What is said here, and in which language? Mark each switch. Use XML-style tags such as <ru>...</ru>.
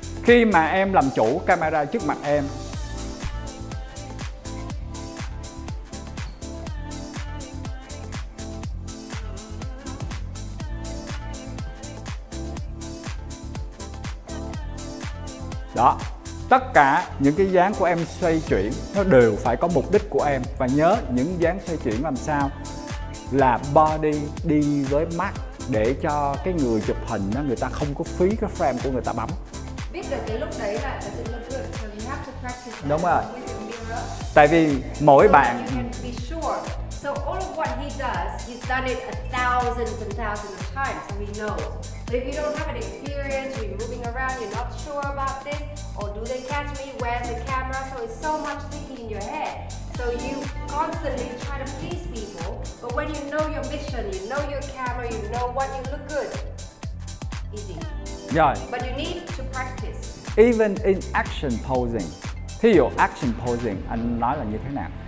<vi>Khi mà em làm chủ camera trước mặt em, đó, tất cả những cái dáng của em xoay chuyển nó đều phải có mục đích của em. Và nhớ những dáng xoay chuyển làm sao là body đi với mắt, để cho cái người chụp hình đó, người ta không có phí cái frame của người ta bấm. Biết được cái lúc đấy là sự lực lượng,</vi> <en>so you have to practice.</en> <vi>Đúng rồi. Tại vì mỗi</vi> <en>so</en> <vi>bạn</vi> <en>be sure. So all of what he does, he's done it a thousands and thousands of times, so he knows. But if you don't have an experience, you're moving around, you're not sure about this, or do they catch me, where's the camera, so it's so much thinking in your head. So you constantly try to please people, but when you know your mission, you know your camera, you know what you look good, easy. Yeah. But you need to practice. Even in action posing,</en> <vi>thí dụ action posing, anh nói là như thế nào?</vi>